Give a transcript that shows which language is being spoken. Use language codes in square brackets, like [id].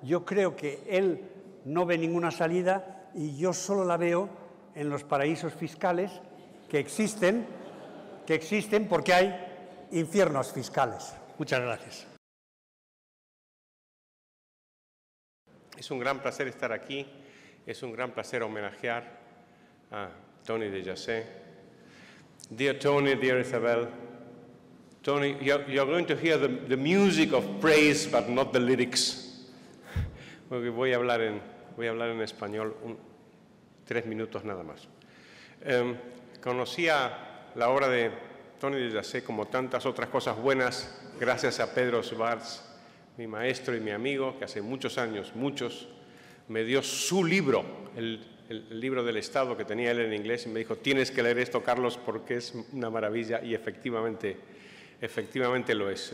[es] Yo creo que él no ve ninguna salida y yo solo la veo en los paraísos fiscales que existen porque hay infiernos fiscales. Muchas gracias. Es un gran placer estar aquí, es un gran placer homenajear a Tony de Jassé. [en] Dear Tony, dear Isabel, Tony, you're going to hear the music of praise, but not the lyrics. [es] Porque voy a hablar en español tres minutos nada más. Conocía la obra de Tony de Jassé como tantas otras cosas buenas, gracias a Pedro Schwartz, mi maestro y mi amigo, que hace muchos años, me dio su libro, el libro del Estado que tenía él en inglés, y me dijo, tienes que leer esto, Carlos, porque es una maravilla, y efectivamente lo es.